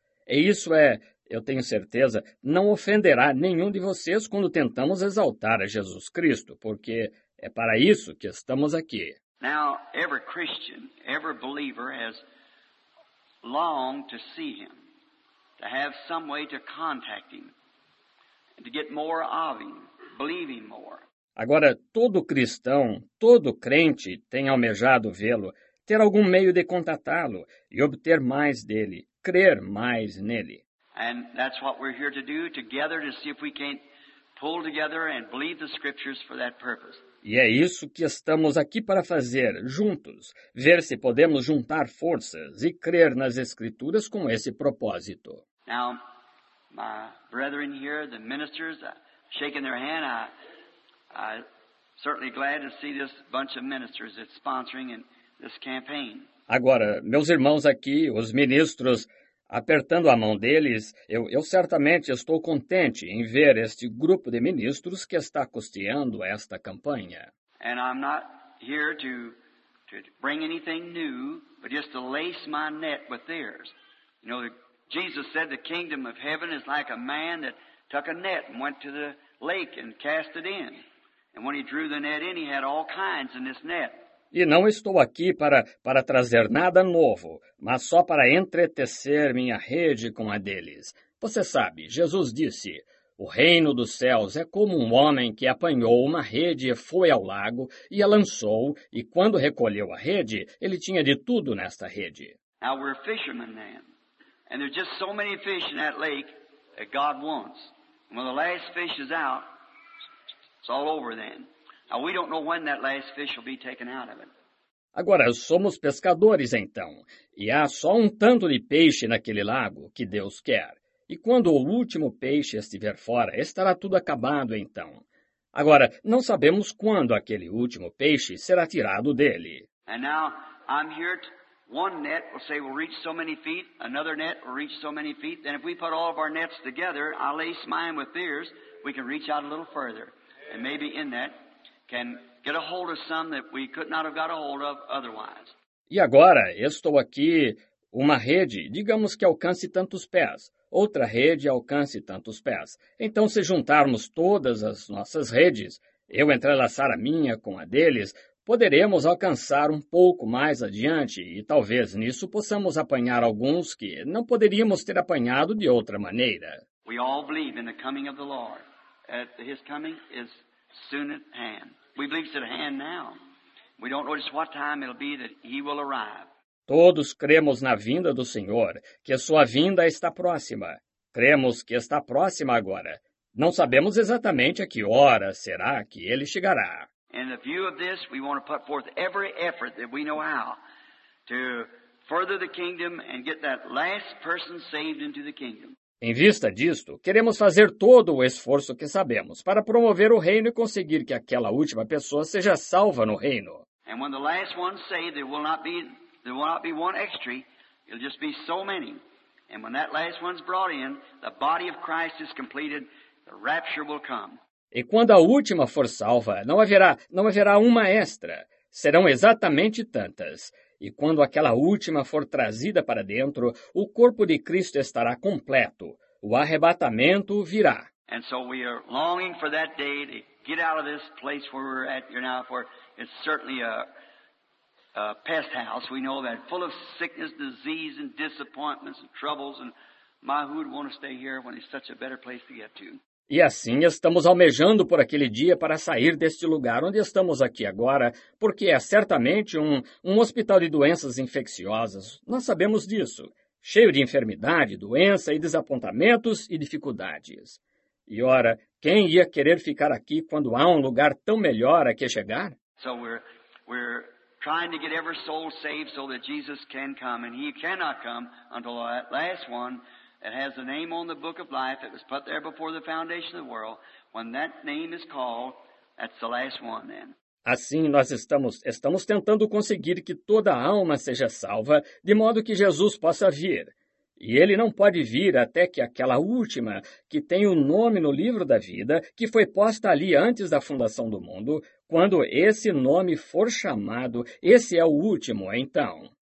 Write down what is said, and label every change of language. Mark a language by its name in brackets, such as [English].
[Portuguese] E isso é, eu tenho certeza, não ofenderá nenhum de vocês quando tentamos exaltar a Jesus Cristo, porque é para isso que estamos aqui. [English] Now, every Christian, every believer has longed to see him, to have some way to contact him. To get more of him, believing more. [Portuguese] Agora, todo cristão, todo crente tem almejado vê-lo, ter algum meio de contatá-lo e obter mais dele, crer mais nele. [English] And that's what we're here to do, together, to see if we can't pull together and believe the scriptures for that purpose. [Portuguese] E é isso que estamos aqui para fazer, juntos, ver se podemos juntar forças e crer nas escrituras com esse propósito. [English] Now, my brethren here, the ministers, shaking their hand. I'm certainly glad to see this bunch of ministers that's sponsoring in this campaign. [Portuguese] Agora, meus irmãos aqui, os ministros, apertando a mão deles, eu certamente estou contente em ver este grupo de ministros que está custeando esta campanha. [English] And I'm not here to bring anything new, but just to lace my net with theirs. You know, Jesus said the kingdom of heaven is like a man that took a net and went to the lake and cast it in. And when he drew the net in, he had all kinds in this net. [Portuguese] E não estou aqui para trazer nada novo, mas só para entretecer minha rede com a deles. Você sabe, Jesus disse, o reino dos céus é como um homem que apanhou uma rede e foi ao lago e a lançou, e quando recolheu a rede, ele tinha de tudo nesta rede. [English] Now we're fishermen then, and there's just so many fish in that lake that God wants. And when the last fish is out, it's all over then. Now, we don't know when that last fish will be taken out of it. [Portuguese] Agora, somos pescadores, então, e há só um tanto de peixe naquele lago que Deus quer. E quando o último peixe estiver fora, estará tudo acabado, então. Agora, não sabemos quando aquele último peixe será tirado dele. [English] And now, I'm here, one net will say we'll reach so many feet, another net will reach so many feet, then if we put all of our nets together, I'll lace mine with theirs, we can reach out a little further, and maybe in that can get a hold of some that we could not have got a hold of otherwise. [Portuguese] E agora, estou aqui, uma rede, digamos que alcance tantos pés, outra rede alcance tantos pés. Então, se juntarmos todas as nossas redes, eu entrelaçar a minha com a deles, poderemos alcançar um pouco mais adiante e talvez nisso possamos apanhar alguns que não poderíamos ter apanhado de outra maneira. [English] We all believe in the coming of the Lord. His coming is soon at hand. We believe it's at hand now. We don't know just what time it'll be that he will arrive. [Portuguese] Todos cremos na vinda do Senhor, que a sua vinda está próxima. Cremos que está próxima agora. Não sabemos exatamente a que hora será que ele chegará. [English] In the view of this, we want to put forth every effort that we know how to further the kingdom and get that last person saved into the kingdom. [Portuguese] Em vista disto, queremos fazer todo o esforço que sabemos para promover o reino e conseguir que aquela última pessoa seja salva no reino. [English] And when the last one's saved, there will not be one extra, it'll just be so many. And when that last one's brought in, the body of Christ is completed, the rapture will come. [Portuguese] E quando a última for salva, não haverá uma extra, serão exatamente tantas. E quando aquela última for trazida para dentro, o corpo de Cristo estará completo. O arrebatamento virá. [English] And so we are longing for that day to get out of this place where we're at here now, for it's certainly a pest house, we know that, full of sickness, disease, and disappointments, and troubles, and my, who would want to stay here when it's such a better place to get to? [Portuguese] E assim estamos almejando por aquele dia para sair deste lugar onde estamos aqui agora, porque é certamente um hospital de doenças infecciosas. Nós sabemos disso. Cheio de enfermidade, doença e desapontamentos e dificuldades. E ora, quem ia querer ficar aqui quando há um lugar tão melhor a que chegar? [English] So we're trying to get every soul saved so that Jesus can come, and he cannot come until that last one. It has the name on the book of life. It was put there before the foundation of the world. When that name is called, that's the last one then. [Portuguese] Assim, nós estamos tentando conseguir que toda a alma seja salva, de modo que Jesus possa vir. E ele não pode vir até que aquela última, que tem o nome no livro da vida, que foi posta ali antes da fundação do mundo, quando esse nome for chamado, esse é o último, então.